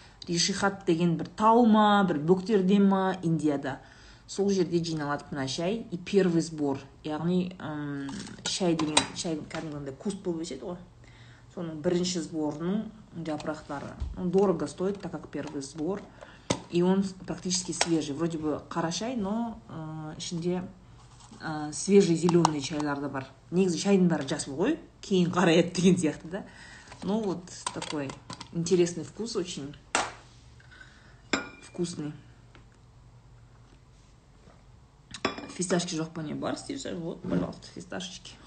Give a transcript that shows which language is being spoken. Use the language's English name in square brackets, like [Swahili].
[Kazakh] Ришихат деген бір тау ма, бір бөктерде ма, Индияда. Сол жерде жиналады мына шай. [Russian] И первый сбор. [Kazakh] Яғни шай деген, шай кәдімгіндей куст болып өседі ғой. Соның бірінші сборының жапырақтары. [Russian] Дорого стоит, так как первый сбор. И он практически свежий. Вроде бы [Kazakh] қара шай, но ішінде [Russian] свежий зеленый [Kazakh] чайлар да бар. Негізі шайдың бәрі жасыл ғой. Кейін қара еді деген сияқты да. [Russian] Ну вот такой интересный вкус, очень вкусный. [Kazakh] Фисташки жоқ па не бар? [Russian] Вот, пожалуйста, фисташечки.